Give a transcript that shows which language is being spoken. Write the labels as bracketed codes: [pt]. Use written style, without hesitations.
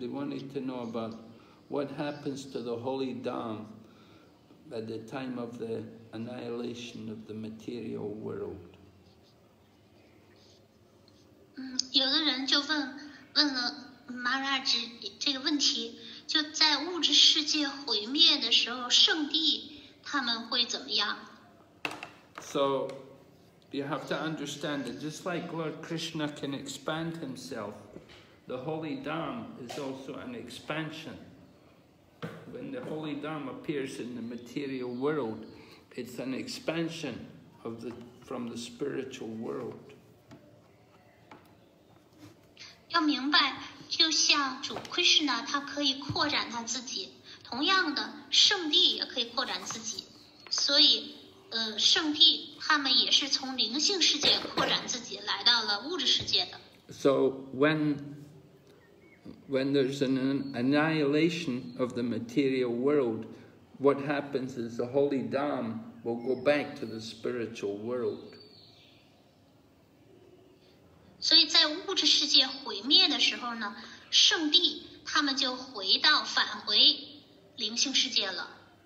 [en] They wanted to know about what happens to the holy Dham at the time of the annihilation of the material world. [zh] 有的人就问了 Maharaj 这个问题，就在物质世界毁灭的时候，圣地他们会怎么样？ [en] So you have to understand that just like Lord Krishna can expand himself. The Holy Dham is also an expansion. When the Holy Dham appears in the material world, it's an expansion of from the spiritual world. [zh] 要明白，就像主 Krishna 他可以扩展他自己，同样的，圣地也可以扩展自己。所以，圣地他们也是从灵性世界扩展自己，来到了物质世界的。 [en] So when there's an annihilation of the material world, what happens is the holy Dham will go back to the spiritual world. [zh] 所以在物质世界毁灭的时候呢，圣地他们就回到返回灵性世界了。